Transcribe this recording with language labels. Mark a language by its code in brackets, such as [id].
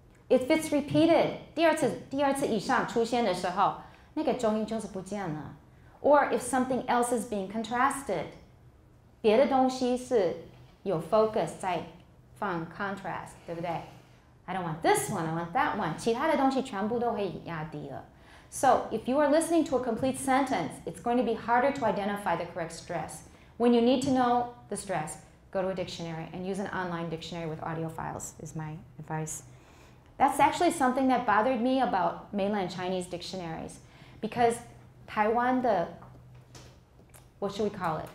[en] If it's repeated, [zh] 第二次以上出现的时候，那个重音就是不见了。 [en] Or if something else is being contrasted, [zh] 别的东西是有 focus 在放 contrast, 对不对? [en] I don't want this one, I want that one. [zh] 其他的东西全部都会压低了。 [en] So, if you are listening to a complete sentence, it's going to be harder to identify the correct stress. When you need to know the stress, go to a dictionary and use an online dictionary with audio files, is my advice. That's actually something that bothered me about mainland Chinese dictionaries, because Taiwan 的 what should we call it?